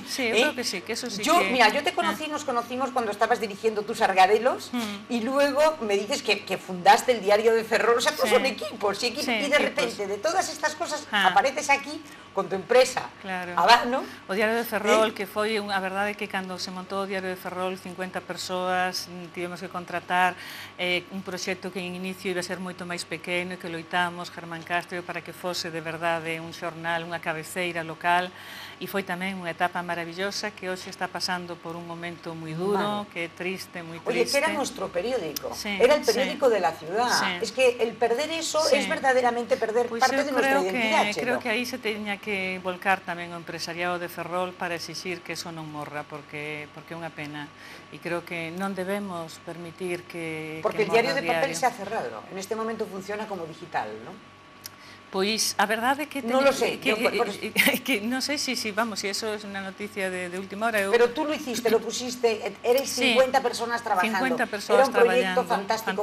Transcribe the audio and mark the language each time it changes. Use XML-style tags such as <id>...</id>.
<es>Sí, sí, eu creo que sí, que eso sí. Mira, yo te conocí, nos conocimos cuando estabas dirigiendo tus Argadelos, y luego me dices que fundaste el Diario de Ferrol, o sea, pues son equipos, y de repente, de todas estas cosas, apareces aquí con tu empresa. Claro.</es> <gl>Abano, o Diario de Ferrol, que foi unha verdade que cando se montou o Diario de Ferrol, 50 persoas, tivemos que contratar un proxecto que en inicio iba a ser moito máis pequeno e que loitamos invitamos Germán Castro para que fose de verdade un xornal, unha cabeceira local, e foi tamén unha etapa maravillosa que hoxe está pasando por un momento moi duro, vale, que é triste, moi triste.</gl> <es>Oye, que era nuestro periódico, sí, era el periódico, sí, de la ciudad. Sí. Es que el perder eso, sí, es verdaderamente perder, pues, parte de nuestra identidad.</es> <gl>Que, creo que ahí se teña que volcar tamén o empresariado de Ferrol para exixir que eso non morra, porque é unha pena. E creo que non debemos permitir que</gl> <es>porque el diario de papel se ha cerrado. En este momento funciona como digital, ¿no?</es> <gl>Pois, a verdade é que... Non lo sei. Non sei se, vamos, se eso é es unha noticia de última hora.</gl> <es>Pero tú lo hiciste, lo pusiste, erais 50, sí, personas trabajando. 50 personas trabajando. Era un proyecto fantástico.</es>